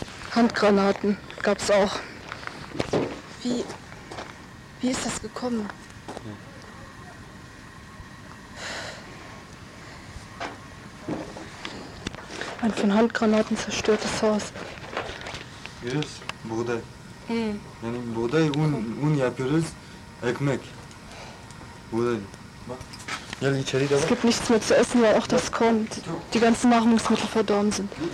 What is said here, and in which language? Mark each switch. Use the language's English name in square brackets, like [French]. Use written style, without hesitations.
[German] Handgranaten gab's auch. Wie ist das gekommen? Ein von Handgranaten zerstörtes Haus. [English] Yes, [Turkish] buğday. Yani buğday un yapıyoruz, ekmek. Buğday. Gel içeri de bak. [German] Es gibt nichts mehr zu essen, weil auch das Korn, die ganzen Nahrungsmittel verdorben sind.